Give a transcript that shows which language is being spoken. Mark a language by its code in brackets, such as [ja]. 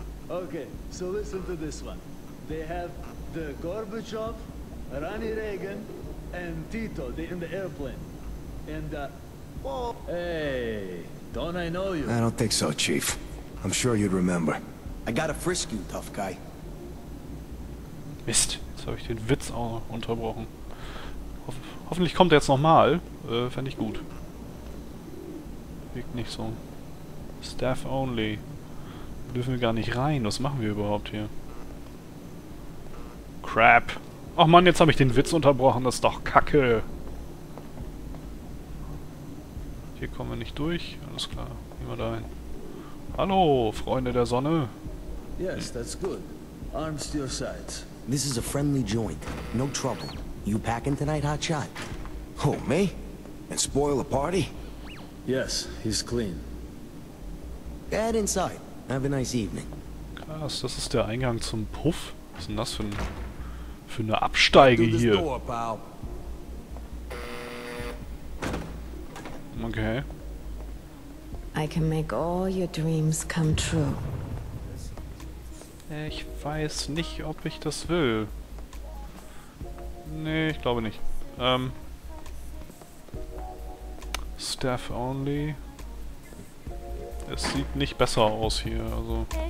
[en] Okay, so listen to this one. They have the Gorbachev, Ronnie Reagan, and Tito in the airplane. And hey, don't I know you? I don't think so, Chief. I'm sure you'd remember. I gotta frisk you, tough guy. [de] Mist, jetzt habe ich den Witz auch unterbrochen. Hoffentlich kommt er jetzt nochmal. Fände ich gut. Wirkt nicht so. Staff only. Dürfen wir gar nicht rein. Was machen wir überhaupt hier? Crap. Ach man, jetzt habe ich den Witz unterbrochen. Das ist doch kacke. Hier kommen wir nicht durch. Alles klar. Gehen wir da hin. Hallo, Freunde der Sonne. [en] Yes, that's good. Arms to your sides. This is a friendly joint. No trouble. You packing tonight, hotshot? Oh, me? And spoil a party? Yes, he's clean. Get inside. Have a nice evening. [de] Krass, das ist der Eingang zum Puff. Was ist denn das für eine Absteige hier? [en] Door, pal. Okay. I can make all your dreams come true. [de] Ich weiß nicht, ob ich das will. Nee, ich glaube nicht. Staff only. Es sieht nicht besser aus hier, also.